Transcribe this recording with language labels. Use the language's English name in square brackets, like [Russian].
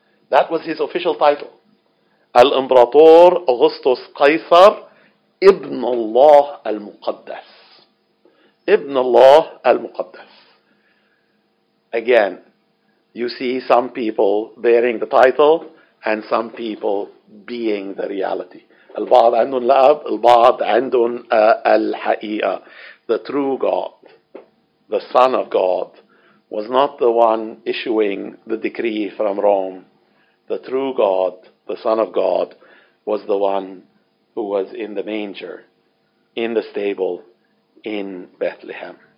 [English] That was his official title. Al-Imperator Augustus Caesar Ibn Allah Al-Muqaddas. Ibn Allah Al-Muqaddas. Again, you see some people bearing the title and some people being the reality. [Arabic] البعض عندهم الأب, البعض عندهم الحقيقة. [English] The true God, the Son of God, was not the one issuing the decree from Rome. The true God, the Son of God, was the one who was in the manger, in the stable, in Bethlehem.